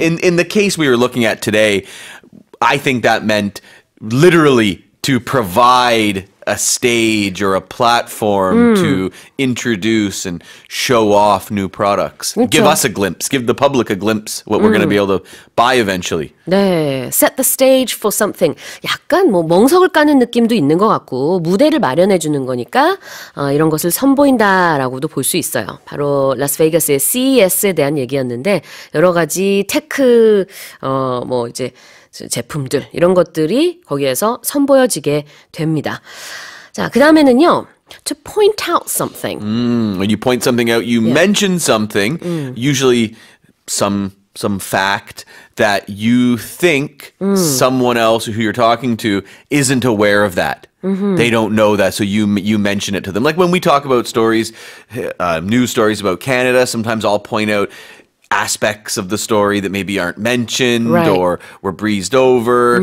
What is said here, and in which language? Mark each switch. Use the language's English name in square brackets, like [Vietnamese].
[English] In the case we were looking at today, I think that meant literally to provide a stage or a platform to introduce and show off new products. [Korean] 그쵸. [English] Give us a glimpse. Give the public a glimpse what we're going to be able to buy eventually. [Korean] 네. [English] Set the stage for something. [Korean] 약간 뭐 멍석을 까는 느낌도 있는 것 같고 무대를 마련해 주는 거니까 이런 것을 선보인다라고도 볼 수 있어요. 바로 라스베이거스의 CES에 대한 얘기였는데 여러 가지 테크 뭐 이제 제품들 이런 것들이 거기에서 선보여지게 됩니다. 자, 그다음에는요. [English] To point out something. When you point something out, you mention something, usually some fact that you think someone else who you're talking to isn't aware of that. They don't know that, so you mention it to them. Like when we talk about stories, news stories about Canada, sometimes I'll point out aspects of the story that maybe aren't mentioned or were breezed over.